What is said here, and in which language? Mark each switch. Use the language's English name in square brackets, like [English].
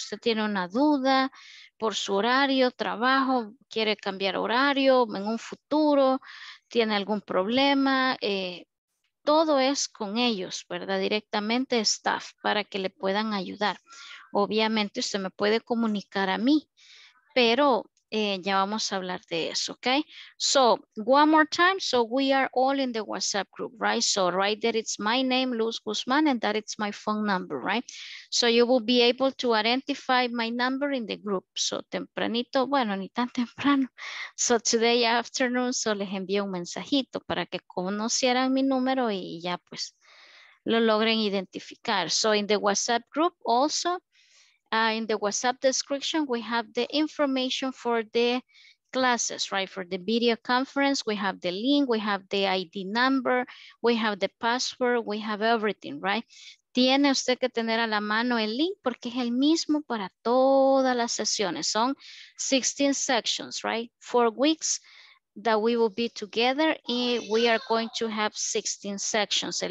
[Spanish] Usted tiene una duda por su horario, trabajo, quiere cambiar horario en un futuro, tiene algún problema, todo es con ellos, ¿verdad? Directamente staff para que le puedan ayudar. Obviamente usted me puede comunicar a mí, pero ya vamos a hablar de eso, ¿ok? [English] So, one more time, so we are all in the WhatsApp group, right? So, right there, it's my name, Luz Guzmán, and that it's my phone number, right? So, you will be able to identify my number in the group. [Spanish] So, tempranito, bueno, ni tan temprano. So, [English] today afternoon, [Spanish] so les envío un mensajito para que conocieran mi número y ya pues lo logren identificar. [English] So, in the WhatsApp group also, in the WhatsApp description, we have the information for the classes, right? For the video conference, we have the link, we have the ID number, we have the password, we have everything, right? [Spanish] Tiene usted que tener a la mano el link porque es el mismo para todas las sesiones. Son [English] 16 sections, right? 4 weeks that we will be together and we are going to have 16 sections.